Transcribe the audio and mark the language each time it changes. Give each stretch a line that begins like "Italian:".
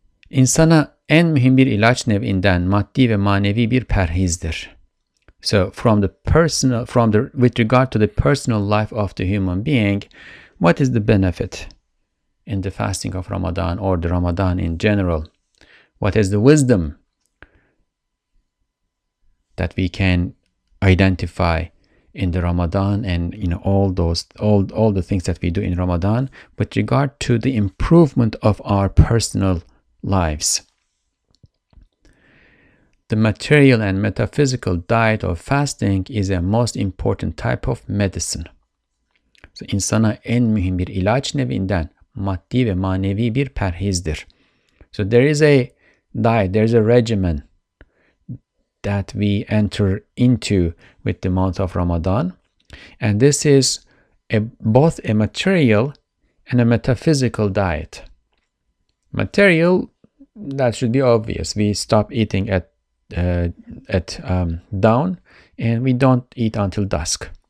Turkish: İnsana en mühim bir ilaç nev'inden maddi ve manevi bir perhizdir.
English: So with regard to the personal life of the human being, what is the benefit in the fasting of Ramadan or the Ramadan in general? What is the wisdom that we can identify in the Ramadan and all the things that we do in Ramadan with regard to the improvement of our personal lives? The material and metaphysical diet of fasting is a most important type of medicine.
Turkish: So, insana en mühim bir ilaç nevinden maddi ve manevi bir perhizdir.
English: So, there is a diet, there is a regimen that we enter into with the month of Ramadan, and this is both a material and a metaphysical diet. Material, that should be obvious. We stop eating at dawn, and we don't eat until dusk.